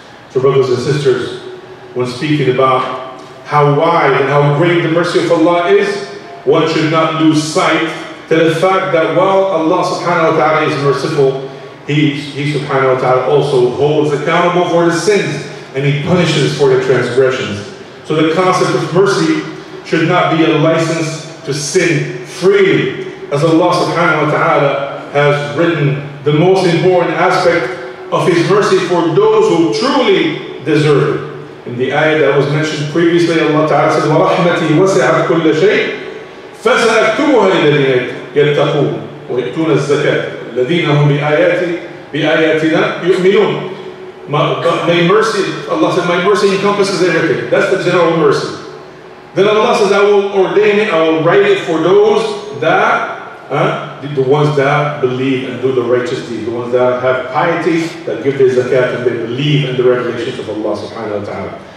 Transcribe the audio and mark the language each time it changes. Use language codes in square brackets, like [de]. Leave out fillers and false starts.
[en] So brothers and sisters, when speaking about how wide and how great the mercy of Allah is, one should not lose sight to the fact that while Allah subhanahu wa ta'ala is merciful, He subhanahu wa ta'ala also holds accountable for the sins and He punishes for the transgressions. So the concept of mercy should not be a license to sin freely. As Allah subhanahu wa ta'ala has written, the most important aspect of His mercy for those who truly deserve it. In the ayah that was mentioned previously, Allah Ta'ala says, [ar] وَرَحْمَتِي وَسِعَتْ كُلَّ شَيْءٍ فَسَأَكْتُبُهَا لِلَّذِينَ يَتَّقُونَ وَيَؤْتُونَ الزَّكَاةَ الَّذِينَ هُمْ بِآيَاتِنَا يُؤْمِنُونَ. [en] My mercy, Allah said, my mercy encompasses everything. That's the general mercy. Then Allah says, I will ordain it, I will write it for those that, the ones that believe and do the righteous deeds, the ones that have piety, that give their zakat, and they believe in the revelations of Allah subhanahu wa ta'ala.